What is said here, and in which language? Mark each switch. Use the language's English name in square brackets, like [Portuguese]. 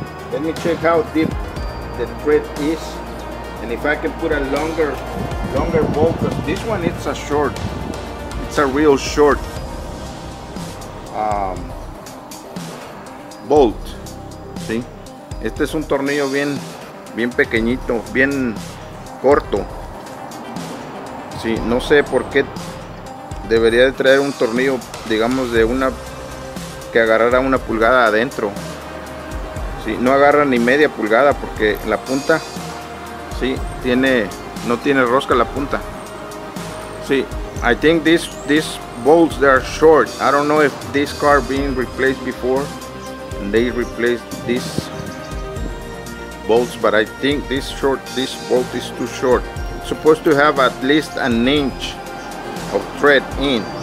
[English] Let me check how deep the thread is, and if I can put a longer bolt, because this one it's a real short bolt. [Spanish] ¿Sí? Este es un tornillo bien pequeñito, bien corto. ¿Sí? No sé por qué debería de traer un tornillo, digamos, de una que agarrara una pulgada adentro. Sí, no agarra ni media pulgada porque la punta sí tiene, no tiene rosca la punta. [English] Sí, I think these bolts are short. I don't know if this car being replaced before and they replaced these bolts, but I think this bolt is too short. It's supposed to have at least an inch of thread in.